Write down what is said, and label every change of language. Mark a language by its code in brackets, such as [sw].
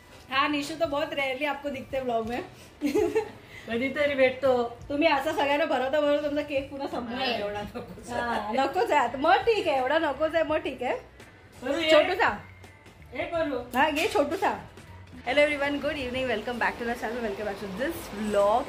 [hi] हाँ निशु तो बहुत रेयरली आपको दिखते व्लॉग में, [mr] कधी तरी भेटतो। तुम्ही असं सगळ्यांना भरवता भरवता तुमचा केक पूर्ण संपला, एवढा नकोच आहे मग ठीक आहे, एवढा नकोच आहे मग ठीक आहे। [hi] छोटू सा ये छोटू था। [en] Hello everyone, good evening, welcome back to the channel, welcome back to this vlog.